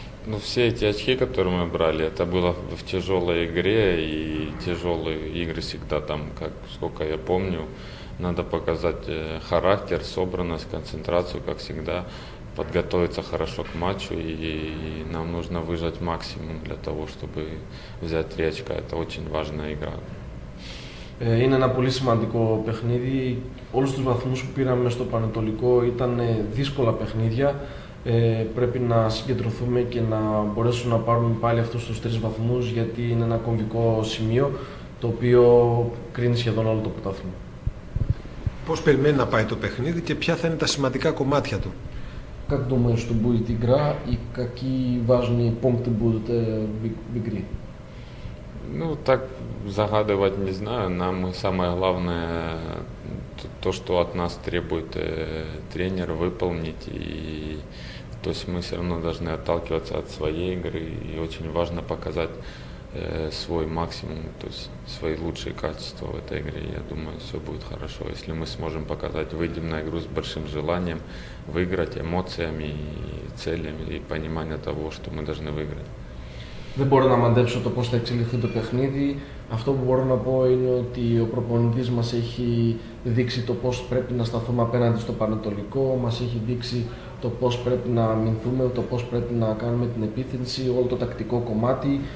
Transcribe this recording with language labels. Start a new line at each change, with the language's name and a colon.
Russian: Ну, все эти очки, которые мы брали, это было в тяжелой игре, и тяжелые игры всегда там, как сколько я помню, надо показать характер, собранность, концентрацию, как всегда, подготовиться хорошо к матчу, и нам нужно выжать максимум для того, чтобы взять три очка. Это очень важная игра.
Greek: Είναι ένα πολύ σημαντικό παιχνίδι. Όλους τους βαθμούς που πήραμε στο Πανετολικό ήταν δύσκολα παιχνίδια. Πρέπει να συγκεντρωθούμε και να μπορέσουμε να πάρουμε πάλι αυτούς τους τρεις βαθμούς, γιατί είναι ένα κομβικό σημείο το οποίο κρίνει σχεδόν όλο το πρωτάθλημα. Πώς περιμένει να πάει το παιχνίδι και ποια θα είναι τα σημαντικά κομμάτια του?
Russian: Как думаешь, что будет игра и какие важные пункты будут в игре? Ну, так загадывать не знаю. Нам самое главное то, что от нас требует тренер выполнить. То есть мы все равно должны отталкиваться от своей игры. И очень важно показать свой максимум, то есть свои лучшие качества в этой игре. Я думаю, все будет хорошо. Если мы сможем показать, выйдем на игру с большим желанием выиграть, эмоциями, целями и пониманием того, что мы должны выиграть.
Greek: Δεν μπορώ να μαντέψω το πώς θα εξελιχθεί το παιχνίδι. Αυτό που μπορώ να πω είναι ότι ο προπονητής μας έχει δείξει το πώς πρέπει να σταθούμε απέναντι στο Πανετολικό, μας έχει δείξει το πώς πρέπει να αμυνθούμε, το πώς πρέπει να κάνουμε την επίθεση, όλο το τακτικό κομμάτι.